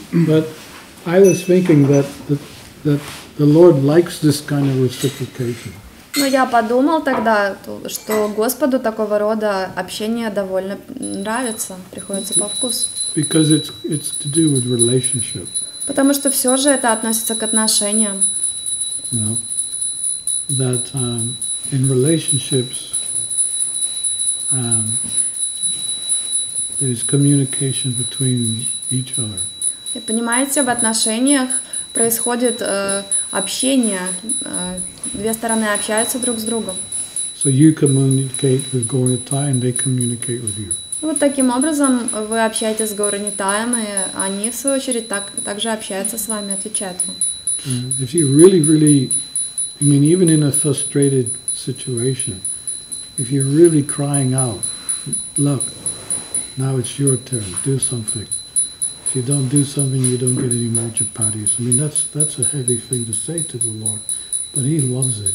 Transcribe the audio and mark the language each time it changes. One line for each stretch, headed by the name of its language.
English: But I was thinking that the Lord likes this kind of reciprocation.
Russian: Но я подумал тогда, что Господу такого рода общение довольно нравится, приходится по вкусу.
English: Because it's to do with relationship.
Russian: Потому что все же это относится к отношениям.
English: You know, that in relationships there is communication between each other.
Russian: И понимаете, в отношениях происходит общение, две стороны общаются друг с другом.
English: So you communicate with Gornitai and they communicate with you.
Russian: Вот таким образом вы общаетесь с Горнитаем, и они в свою очередь также общаются с вами, отвечают вам.
English: If you really, really, I mean, even in a frustrated situation, if you're really crying out, look, now it's your turn, do something. If you don't do something, you don't get any more chapatis. I mean, that's a heavy thing to say to the Lord. But he loves it.